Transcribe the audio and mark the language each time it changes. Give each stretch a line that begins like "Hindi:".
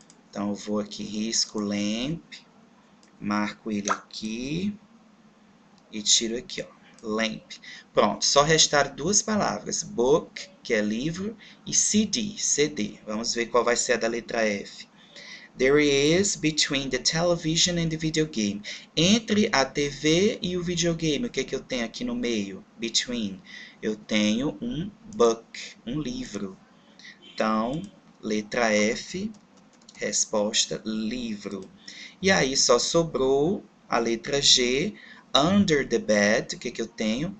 Portuguese: Então eu vou aqui, risco lamp, marco ele aqui e tiro aqui, ó, lamp. Pronto, só restar duas palavras: book, que é livro, e CD, CD. Vamos ver qual vai ser a da letra F.
English: There is between the television and the videogame.
Portuguese: Entre a TV e o videogame, o que é que eu tenho aqui no meio? Between. Eu tenho um book, um livro. Então, letra F, resposta livro. E aí só sobrou a letra G,
English: under the bed.
Portuguese: O que que eu tenho?